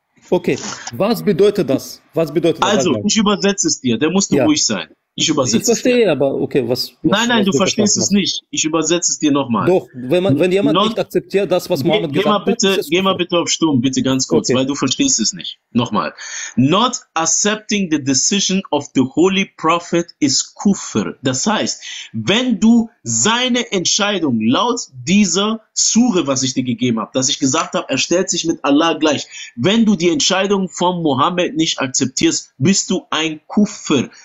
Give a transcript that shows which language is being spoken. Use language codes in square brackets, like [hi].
[de] Okay, was bedeutet das? Was bedeutet das? Also, ich übersetze es dir, der musst du ruhig sein. Ich übersetze es. Ich verstehe, aber okay, was. Nein, du verstehst es nicht. Ich übersetze es dir nochmal. Doch, wenn jemand nicht akzeptiert, das, was Mohammed gesagt hat. Geh mal bitte auf Stumm, bitte ganz kurz, okay. Weil du verstehst es nicht. Nochmal. [en] Not accepting the decision of the Holy Prophet is Kufr. [de] Das heißt, wenn du seine Entscheidung laut dieser Sure, was ich dir gegeben habe, dass ich gesagt habe, er stellt sich mit Allah gleich. Wenn du die Entscheidung von Mohammed nicht akzeptierst, bist du ein Kufr.